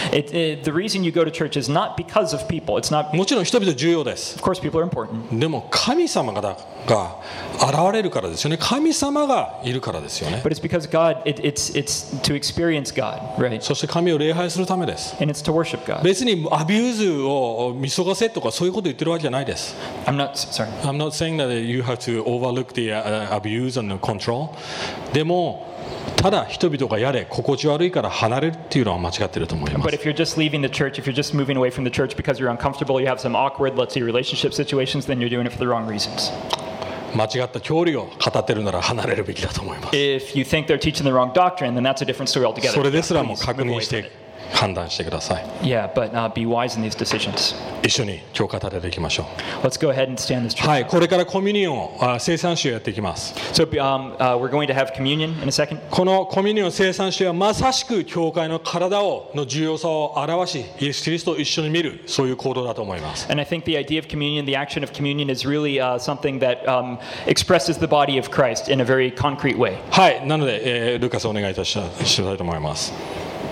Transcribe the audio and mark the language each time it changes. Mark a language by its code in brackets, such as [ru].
[en] The reason you go to church is not because of people. It's not. [ja] もちろん人々重要です。 [en] Of course, people are important. [ja] でも神様がだが現れるからですよね。神様がいるからですよね。 [en] But it's because God. It's to experience God, right? [ja] そして神を礼拝するためです。 [en] And it's to worship God. [ja] 別にアビューズを見過ごせとかそういうこと言ってるわけじゃないです。 [en] I'm not saying that you have to overlook the abuse and the control. [ja] でもただ人々がやれ心地悪いから離れるっていうのは間違ってると思います。 [en] But if you're just leaving the church, if you're just moving away from the church because you're uncomfortable, you have some awkward, let's say, relationship situations, then you're doing it for the wrong reasons. [ja] 間違った教理を語ってるなら離れるべきだと思います。 [en] If you think they're teaching the wrong doctrine, then that's a different story altogether. [ja] それですらも確認して判断してください。 [en] Yeah, but be wise in these decisions. [ja] 一緒に教会立てていきましょう。 [en] Let's go ahead and stand this church. [ja] はい、これからコミュニオンを聖餐主をやっていきます。 [en] So we're going to have communion in a second. [ja] このコミュニオン聖餐主はまさしく教会の体をの重要さを表し、イエス・キリストを一緒に見るそういう行動だと思います。 [en] And I think the idea of communion, the action of communion, is really something that expresses the body of Christ in a very concrete way. [ja] はい、なので、ルカスお願いいたしたいと思います。